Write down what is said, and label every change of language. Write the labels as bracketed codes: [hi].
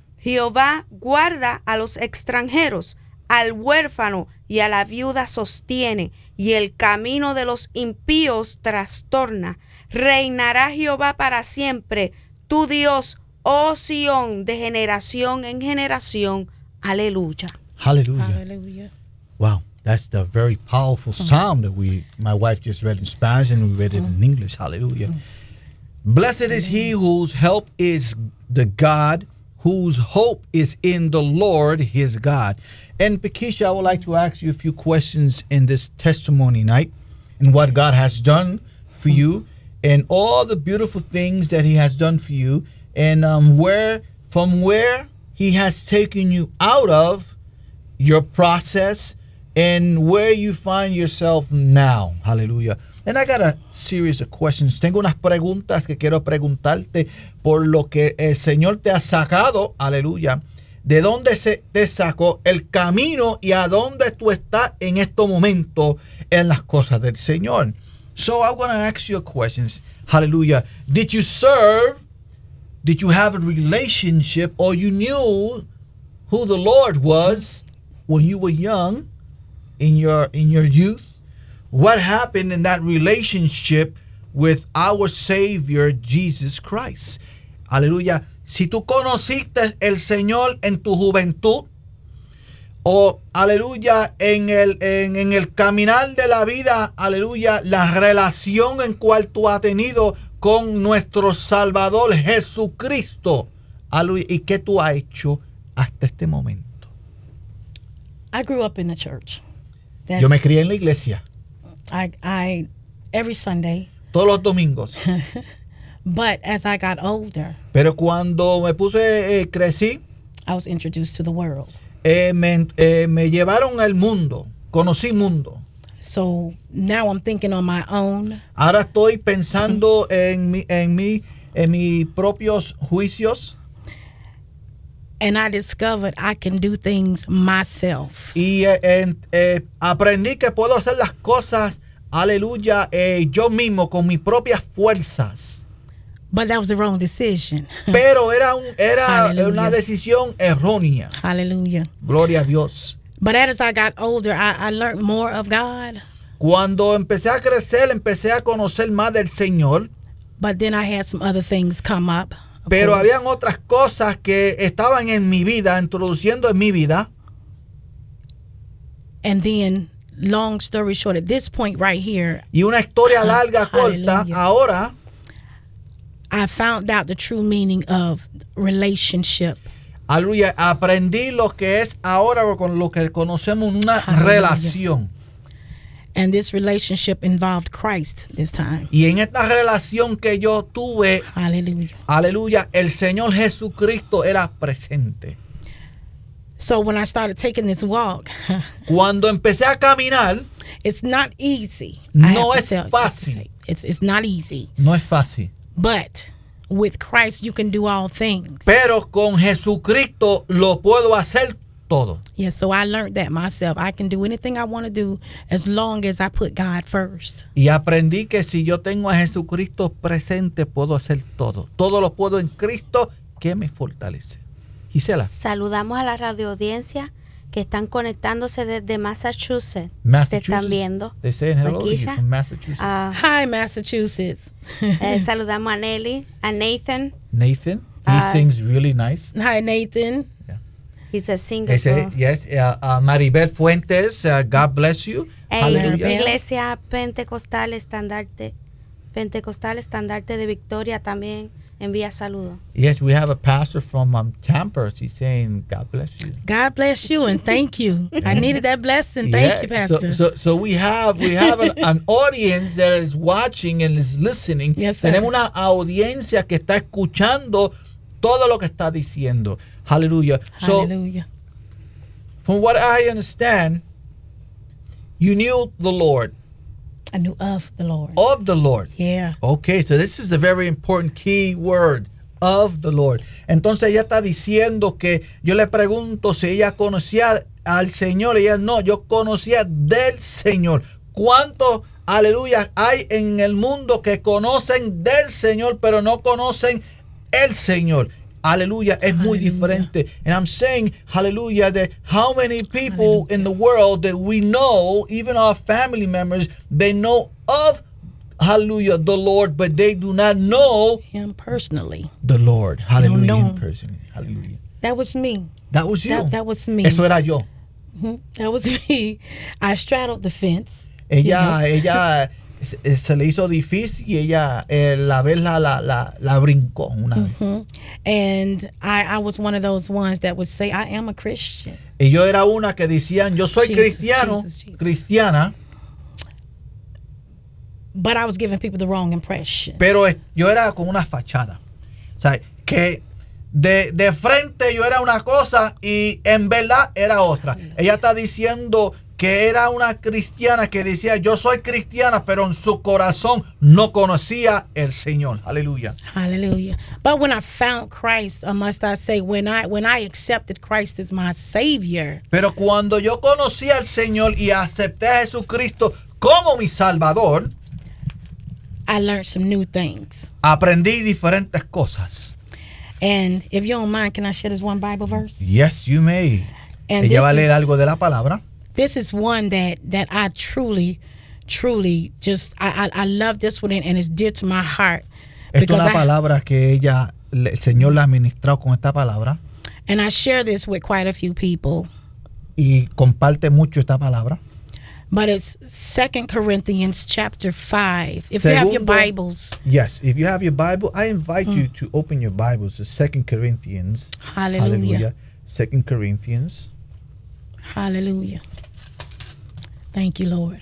[es] Jehová guarda a los extranjeros, al huérfano y a la viuda sostiene, y el camino de los impíos trastorna. Reinará Jehová para siempre, tu Dios, oh Sion, de generación en generación. Aleluya. Aleluya. Aleluya. [en] Wow. That's the very powerful psalm that my wife just read in Spanish, and we read it in English. Hallelujah. Blessed is he whose help is the God, whose hope is in the Lord his God. And Pekisha, I would like to ask you a few questions in this testimony night, and what God has done for you, and all the beautiful things that he has done for you, and where he has taken you out of your process, and where you find yourself now. Hallelujah. And I got a series of questions. [es] Tengo unas preguntas que quiero preguntarte por lo que el Señor te ha sacado. Aleluya. ¿De dónde se te sacó el camino y a dónde tú estás en estos momentos en las cosas del Señor? [en] So I want to ask you questions. Hallelujah. Did you serve? Did you have a relationship, or you knew who the Lord was when you were young? In your youth, what happened in that relationship with our Savior Jesus Christ? [es] Aleluya. Si tú conociste el Señor en tu juventud, o aleluya, en el caminar de la vida, aleluya, la relación en cual tú has tenido con nuestro Salvador Jesucristo, aleluya, y qué tú has hecho hasta este momento. [en] I grew up in the church. [es] That's, yo me crié en la iglesia. [en] I every Sunday. [es] Todos los domingos. [en] But as I got older. [es] Pero cuando me puse crecí, [en] I was introduced to the world. [es] Me llevaron al mundo. Conocí mundo. [en] So now I'm thinking on my own. [es] Ahora estoy pensando en mis propios juicios. [en] And I discovered I can do things myself. [es] Aprendí que puedo hacer las cosas, aleluya, yo mismo, con mis propias fuerzas. [en] But that was the wrong decision. [es] Pero era una decisión errónea. [en] Hallelujah. [es] Gloria a Dios. [en] But as I got older, I learned more of God. [es] Cuando empecé a crecer, empecé a conocer más del Señor. [en] But then I had some other things come up. [es] Pero habían otras cosas que estaban en mi vida, introduciendo en mi vida. [en] And then, long story short, at this point right here. [es] Y una historia larga, corta, ahora. [en] I found out the true meaning of relationship. [es] Aleluya, aprendí lo que es ahora con lo que conocemos una relación. [en] And this relationship involved Christ this time. [es] Y en esta relación que yo tuve, [en] hallelujah. [es] Aleluya, el Señor Jesucristo era presente. [en] So when I started taking this walk, [es] cuando empecé a caminar, [en] it's not easy. [es] No es fácil. [en] It's not easy. [es] No es fácil. [en] But with Christ you can do all things. [es] Pero con Jesucristo lo puedo hacer todo. [en] Yeah, so I learned that myself. I can do anything I want to do as long as I put God first. [es] Y aprendí que si yo tengo a Jesucristo presente, puedo hacer todo. Todo lo puedo en Cristo que me fortalece. Gisela. Saludamos a la radio audiencia que están conectándose desde Massachusetts. Massachusetts. Te están viendo. [en] They say hello from Massachusetts. Hi, Massachusetts. [es] saludamos a Nelly, a Nathan. [en] Nathan, he sings really nice. Hi, Nathan. He's a singer. Say, yes, Maribel Fuentes, God bless you. [es] Iglesia Pentecostal Estandarte, Pentecostal Estandarte de Victoria también envía saludo. [en] Yes, we have a pastor from Tampa. She's saying, God bless you. God bless you and thank you. I needed that blessing. Thank you, Pastor. So we have an audience that is watching and is listening. Yes, sir. [es] Tenemos una audiencia que está escuchando todo lo que está diciendo. [en] Hallelujah. Hallelujah. So, from what I understand, you knew the Lord. I knew of the Lord. Of the Lord. Yeah. Okay, so this is a very important key word, of the Lord. [es] Entonces ella está diciendo que yo le pregunto si ella conocía al Señor. Ella no, yo conocía del Señor. ¿Cuántos, aleluya, hay en el mundo que conocen del Señor, pero no conocen el Señor? Aleluya, es aleluya. Muy diferente. [en] And I'm saying, hallelujah, that how many people aleluya. In the world that we know, even our family members, they know of, hallelujah, the Lord, but they do not know him personally. The Lord, hallelujah, they don't know him personally. Hallelujah. That was me. That was you. That was me. [es] Eso era yo. [en] That was me. I straddled the fence. [es] Ella, ella se le hizo difícil y ella la vez la brincó una vez. [en] And I was one of those ones that would say, I am a Christian. [es] Y yo era una que decían, yo soy cristiano, cristiana. [en] But I was giving people the wrong impression. [es] Pero yo era como una fachada. O sea, que de frente yo era una cosa y en verdad era otra. Ella está diciendo que era una cristiana que decía, yo soy cristiana, pero en su corazón no conocía el Señor. Aleluya. Aleluya. [en] But when I found Christ, must I say, when I accepted Christ as my Savior. [es] Pero cuando yo conocí al Señor y acepté a Jesucristo como mi Salvador. [en] I learned some new things. [es] Aprendí diferentes cosas. [en] And if you don't mind, can I share this one Bible verse? Yes, you may. [es] And ella va a leer algo de la palabra. [en] This is one that I truly, truly just, I love this one and it's dear to my heart. [es] Esta es la palabra que ella, el Señor la ha ministrado con esta palabra. [en] And I share this with quite a few people. [es] Y comparte mucho esta palabra. [en] But it's 2 Corinthians chapter 5. If Segundo, you have your Bibles. Yes, if you have your Bible, I invite you to open your Bibles to 2 Corinthians. Hallelujah. 2 Corinthians. Hallelujah. Thank you, Lord.